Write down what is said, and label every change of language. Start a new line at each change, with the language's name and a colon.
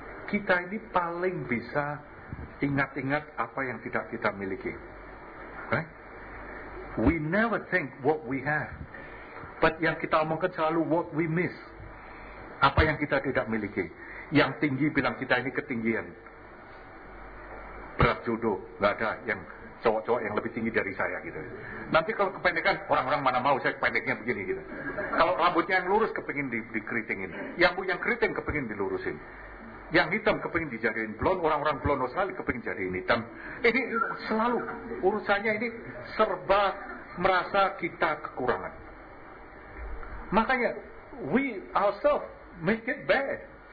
Indonesian: Kita ini paling bisa ingat-ingat apa yang tidak kita miliki.
English: Right? We never think what we have.
Indonesian: But yang kita omongkan selalu
English: what we miss.
Indonesian: Apa yang kita tidak miliki. Yang tinggi bilang kita ini ketinggian. Berat jodoh. Gak ada yang cowok-cowok yang lebih tinggi dari saya gitu. Nanti kalau kependekan, orang-orang mana mau saya pendeknya begini gitu. Kalau rambutnya yang lurus kepingin dikeritingin. Yang keriting kepingin dilurusin. Yang hitam kepingin dijadiin blonde. Orang-orang blonde sekali kepingin jadiin hitam. Ini selalu urusannya ini serba merasa kita kekurangan. Makanya
English: we ourselves make it bad.